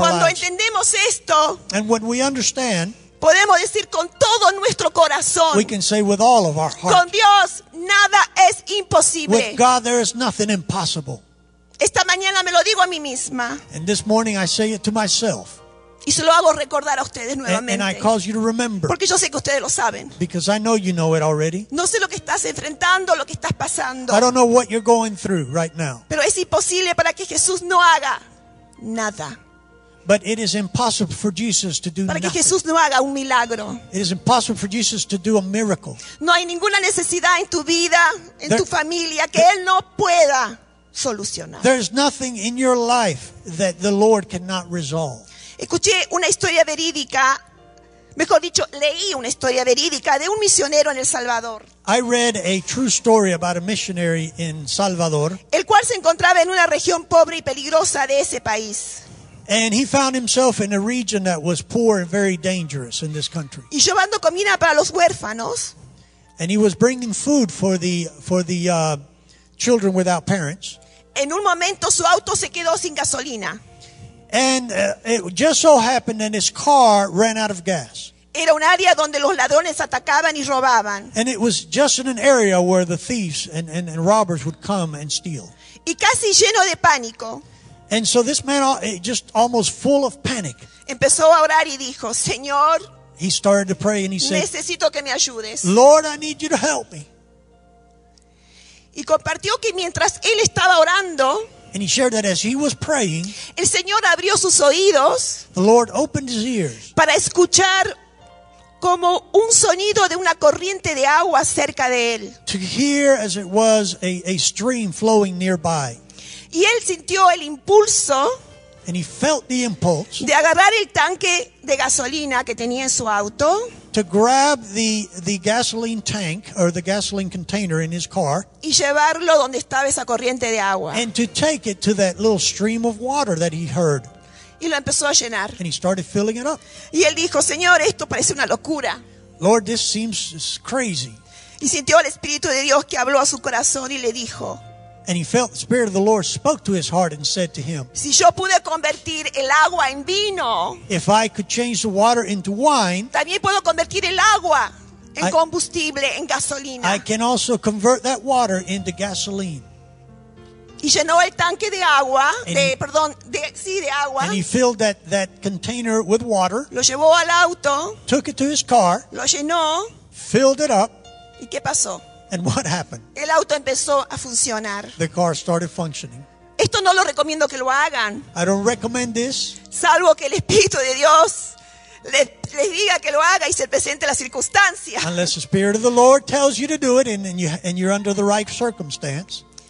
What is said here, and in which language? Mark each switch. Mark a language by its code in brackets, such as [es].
[es] cuando [en] lives. [es] Entendemos esto, [en] and when we understand, [es] podemos decir con todo nuestro corazón, [en] we can say with all of our heart, [es] con Dios, nada es imposible. [en] With God, there is nothing impossible. [es] Esta mañana me lo digo a mí misma. [en] And this morning, I say it to myself. [es] Y se lo hago recordar a ustedes nuevamente. [en] And I cause you to remember. [es] Porque yo sé que ustedes lo saben. [en] Because I know you know it already. [es] No sé lo que estás enfrentando, lo que estás pasando. [en] I don't know what you're going through right now. [es] Pero es imposible para que Jesús no haga nada. [en] But it is impossible for Jesus to do [es] para [en] nothing. [es] Que Jesús no haga un milagro. [en] It is impossible for Jesus to do a miracle. [es] No hay ninguna necesidad en tu vida, en tu familia, que Él no pueda solucionar. [en] There's nothing in your life that the Lord cannot resolve. [es] Escuché una historia verídica, mejor dicho, leí una historia verídica de un misionero en El Salvador. [en] I read a true story about a missionary in Salvador. [es] El cual se encontraba en una región pobre y peligrosa de ese país. [en] And he found himself in a region that was poor and very dangerous in this country. [es] Y llevando comida para los huérfanos. [en] And he was bringing food for the children without parents. [es] En un momento su auto se quedó sin gasolina. [en] And it just so happened that his car ran out of gas. [es] Era un área donde los ladrones atacaban y robaban. [en] And it was just in an area where the thieves and robbers would come and steal. [es] Y casi lleno de pánico. [en] And so this man, just almost full of panic. [es] Empezó a orar y dijo, Señor. [en] He started to pray and he said, [es] necesito que me ayudes. [en] Lord, I need you to help me. [es] Y compartió que mientras él estaba orando, [en] and he shared that as he was praying, [es] el Señor abrió sus oídos, [en] the Lord opened his ears [es] para escuchar como un sonido de una corriente de agua cerca de él. [en] To hear as it was a stream flowing nearby. [es] Y él sintió el impulso. [en] And he felt the impulse. [es] De agarrar el tanque de gasolina que tenía en su auto. [en] To grab the gasoline tank or the gasoline container in his car. [es] Y llevarlo donde estaba esa corriente de agua. [en] And to take it to that little stream of water that he heard. [es] Y lo empezó a llenar. [en] And he started filling it up. [es] Y él dijo, Señor, esto parece una locura. [en] Lord, this seems crazy. [es] Y sintió el Espíritu de Dios que habló a su corazón y le dijo. [en] And he felt the Spirit of the Lord spoke to his heart and said to him. [es] Si yo pude convertir el agua en vino. [en] If I could change the water into wine. [es] También puedo convertir el agua en combustible, en gasolina. [en] I can also convert that water into gasoline. [es] Y llenó el tanque de agua, de agua. [en] And he filled that container with water. [es] Lo llevó al auto. [en] Took it to his car. [es] Lo llenó. [en] Filled it up. [es] ¿Y qué pasó? [en] And what happened? [es] El auto empezó a funcionar. [en] The car started functioning. [es] Esto no lo recomiendo que lo hagan. [en] I don't recommend this. [es] Salvo que el Espíritu de Dios les diga que lo haga y se presente la circunstancia. [en] Unless the Spirit of the Lord tells you to do it and you're under the right circumstance.